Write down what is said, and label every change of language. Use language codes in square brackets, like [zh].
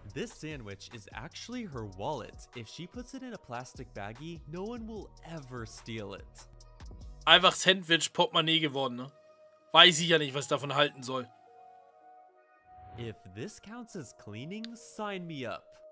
[en] This sandwich is actually her wallet. If she puts it in a plastic baggie, no one will ever steal it. [de] einfach Sandwich-Portemonnaie geworden, ne? Weiß ich ja nicht, was ich davon halten soll. [en] If this counts as cleaning, sign me up.